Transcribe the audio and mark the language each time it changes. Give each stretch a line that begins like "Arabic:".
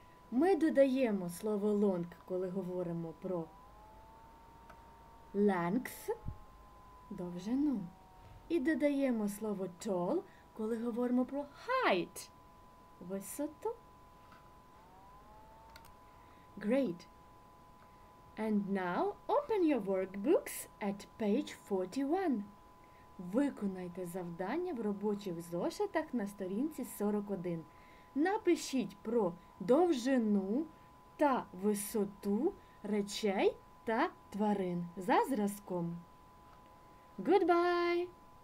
Ukrainian: Ми додаємо слово long, коли говоримо про length, довжину. І додаємо слово tall, коли говоримо про height, висоту.
English: Great. And now open your workbooks at page 41.
Ukrainian: Виконайте завдання в робочих зошитах на сторінці 41. Напишіть про довжину та висоту речей та тварин за зразком.
English: Goodbye!